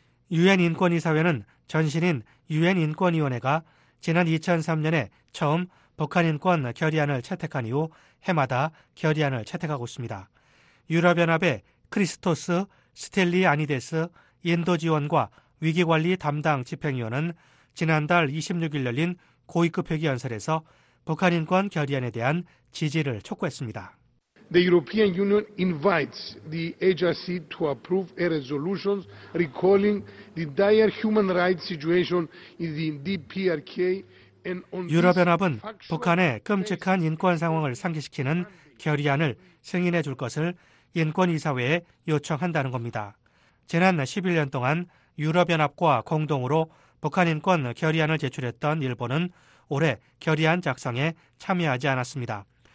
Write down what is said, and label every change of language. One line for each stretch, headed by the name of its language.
Korean: 유엔인권이사회는 전신인 유엔인권위원회가 지난 2003년에 처음 북한인권 결의안을 채택한 이후 해마다 결의안을 채택하고 있습니다. 유럽연합의 크리스토스 스텔리아니데스 인도지원과 위기관리 담당 집행위원은 지난달 26일 열린 고위급 회기 연설에서 북한인권 결의안에 대한 지지를 촉구했습니다.
English: The European Union invites the agency to approve a resolution recalling the dire human rights situation in the DPRK and on
Korean: 유럽연합은 북한의 끔찍한 인권 상황을 상기시키는 결의안을 승인해 줄 것을 인권이사회에 요청한다는 겁니다. 지난 11년 동안 유럽연합과 공동으로 북한인권 결의안을 제출했던 일본은 올해 결의안 작성에 참여하지 않았습니다.